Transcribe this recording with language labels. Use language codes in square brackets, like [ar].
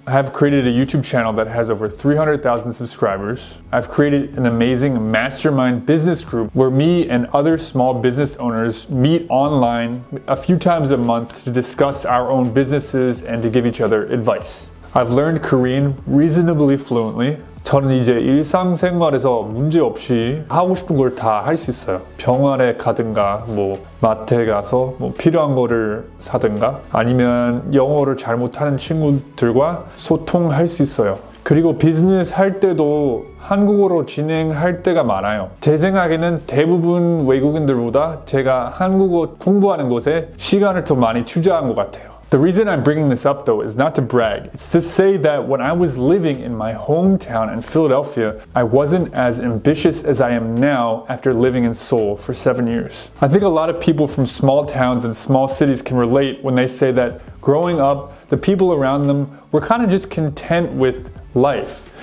[en] I have created a YouTube channel that has over 300,000 subscribers. I've created an amazing mastermind business group where me and other small business owners meet online a few times a month to discuss our own businesses and to give each other advice. I've learned Korean reasonably fluently. [ko] 저는 이제 일상생활에서 문제 없이 하고 싶은 걸 다 할 수 있어요. 병원에 가든가, 뭐 마트에 가서 뭐 필요한 거를 사든가 아니면 영어를 잘 못하는 친구들과 소통할 수 있어요. 그리고 비즈니스 할 때도 한국어로 진행할 때가 많아요. 제 생각에는 대부분 외국인들보다 제가 한국어 공부하는 곳에 시간을 더 많이 투자한 것 같아요. [en] The reason I'm bringing this up, though, is not to brag. It's to say that when I was living in my hometown in Philadelphia, I wasn't as ambitious as I am now after living in Seoul for 7 years. I think a lot of people from small towns and small cities can relate when they say that growing up, the people around them were kind of just content with life.